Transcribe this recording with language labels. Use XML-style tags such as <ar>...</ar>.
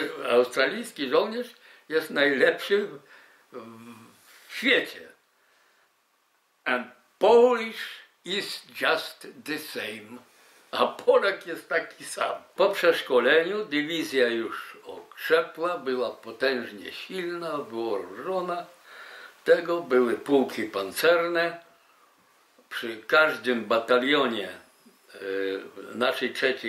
<pl>Australijski żołnierz jest najlepszy w świecie.</pl> <en>And Polish is just the same.</en> <pl>A Polak jest taki sam. Po przeszkoleniu dywizja już okrzepła, była potężnie silna, wyłożona. Tego były pułki pancerne. Przy każdym batalionie naszej 3.</pl>